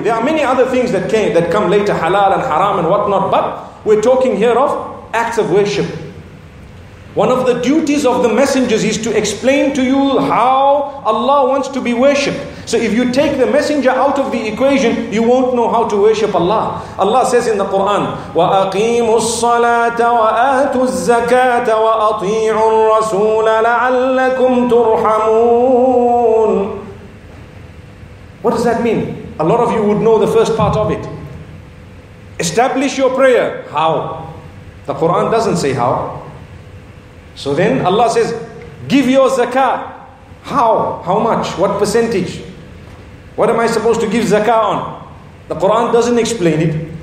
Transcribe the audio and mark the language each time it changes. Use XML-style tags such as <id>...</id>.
<en>There are many other things that come later, halal and haram and whatnot, but we're talking here of acts of worship. One of the duties of the messengers is to explain to you how Allah wants to be worshipped. So if you take the messenger out of the equation, you won't know how to worship Allah. Allah says in the Quran,</en> <ar>وَأَقِيمُوا الصَّلَاةَ وَآتُوا الزَّكَاةَ وَأَطِيعُوا الرَّسُولَ لَعَلَّكُمْ تُرْحَمُونَ.</ar> <en>What does that mean? A lot of you would know the first part of it. Establish your prayer. How? The Quran doesn't say how. So then Allah says, give your zakah. How? How much? What percentage? What am I supposed to give zakah on? The Quran doesn't explain it.</en>